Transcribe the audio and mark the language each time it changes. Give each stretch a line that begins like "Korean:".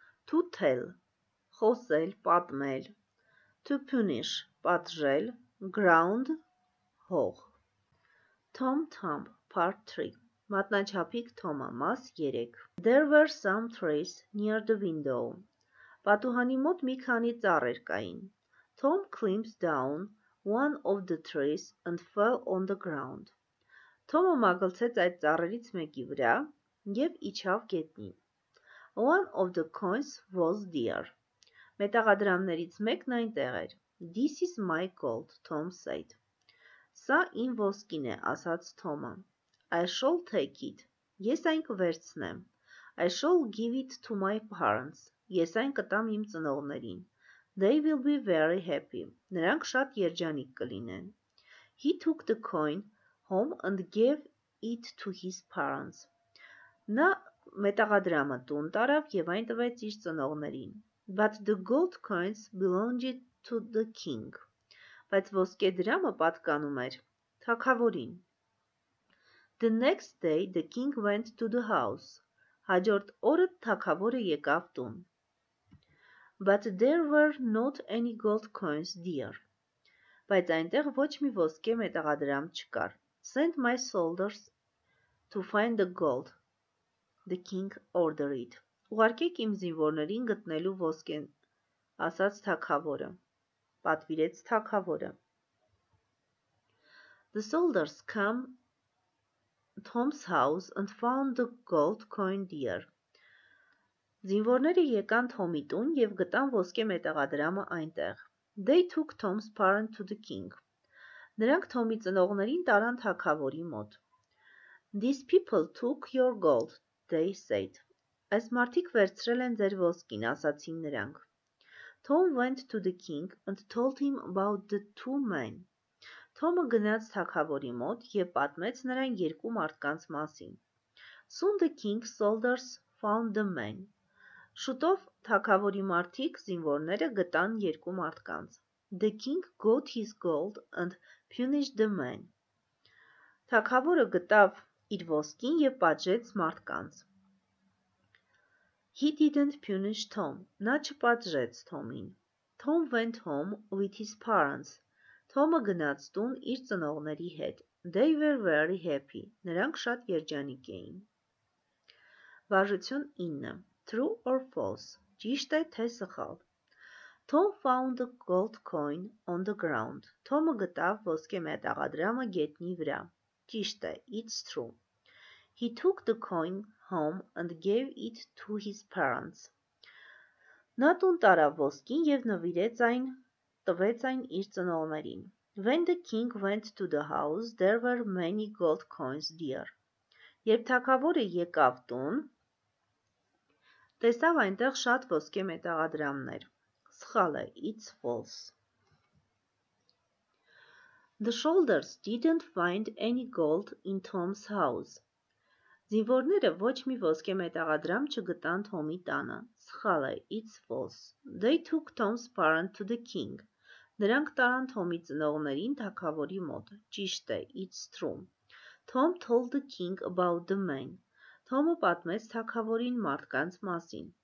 English: To tell,
Armenian: խոսել, պատմել.
English: To punish,
Armenian: պատժել.
English: Ground, հող. Tom Thumb, Part 3.
Armenian: Մատնաչափիկ Թոմա, Մաս 3.
English: There were some trees near the window.
Armenian: Պատուհանի մոտ մի քանի ծառեր կային.
English: Tom climbs down one of the trees and fell on the ground.
Armenian: Թոմը մագլցեց այդ ծառերից մեկի վրա և իջավ գետնին.
English: One of the coins was there.
Armenian: Մետաղադրամներից մեկն այնտեղ էր.
English: This is my gold, Tom said.
Armenian: Սա իմ ոսկին է, ասաց Թոմը.
English: I shall take it.
Armenian: Ես այն կվերցնեմ.
English: I shall give it to my parents.
Armenian: Ես այն կտամ իմ ծնողներին.
English: They will be very happy.
Armenian: Նրանք շատ երջանիկ կլինեն.
English: He took the coin home and gave it to his parents.
Armenian: Նա մետաղադրամը տուն տարավ և այն տվեց իր ծնողներին.
English: But the gold coins belonged to the king.
Armenian: Բայց ոսկե դրամը պատկանում էր թագավորին.
English: The next day the king went to the house.
Armenian: Հաջորդ օրը թագավորը եկավ տուն.
English: But there were not any gold coins there.
Armenian: Բայց այնտեղ ոչ մի ոսկե մետաղադրամ չկար.
English: Send my soldiers to find the gold, the king ordered.
Armenian: Ուղարկեք իմ զինվորներին գտնելու ոսկեն, ասաց թագավորը, պատվիրեց թագավորը.
English: The soldiers came to Tom's house and found the gold coin there.
Armenian: Զինվորները եկան Թոմի տուն և գտան ոսկե մետաղադրամը այնտեղ.
English: They took Tom's parent to the king.
Armenian: Նրանք Թոմի ծնողներին տարան թագավորի մոտ.
English: These people took your gold, they said.
Armenian: Այս մարդիկ վերցրել են ձեր ոսկին, ասացին նրանք.
English: Tom went to the king and told him about the two men.
Armenian: Թոմը գնաց թագավորի մոտ և պատմեց նրան երկու մարդկանց մասին.
English: Soon the king's soldiers found the men.
Armenian: Շուտով թագավորի մարդիկ զինվորները գտան երկու մարդկանց.
English: The king got his gold and punished the men.
Armenian: Թագավորը գտավ իր ոսկին և պատժեց մարդկանց.
English: He didn't punish Tom.
Armenian: Նա չպատժեց Թոմին.
English: Tom went home with his parents.
Armenian: Թոմը գնաց տուն իր ծնողների հետ.
English: They were very happy.
Armenian: Նրանք շատ երջանիկ էին. Վարժություն 9.
English: True or false?
Armenian: Ճիշտ է թե սխալ?
English: Tom found a gold coin on the ground.
Armenian: Թոմը գտավ ոսկե մետաղադրամը գետնի վրա. Ճիշտ է,
English: it's true. He took the coin home and gave it to his parents.
Armenian: Նա տուն տարավ ոսկին և նվիրեց այն, տվեց այն իր ծնողներին.
English: When the king went to the house, there were many gold coins there.
Armenian: Երբ թագավորը եկավ տուն, տեսավ այնտեղ շատ ոսկե մետաղադրամներ. Սխալ է,
English: it's false. The soldiers didn't find any gold in Tom's house.
Armenian: Զինվորները ոչ մի ոսկե մետաղադրամ չգտան Թոմի տանը. Սխալ է,
English: it's false. They took Tom's parent to the king.
Armenian: Նրանք տարան Թոմի ծնողներին թագավորի մոտ. Ճիշտ է,
English: it's true. Tom told the king about the men.
Armenian: Թոմը պատմեց թագավորին մարդկանց մասին.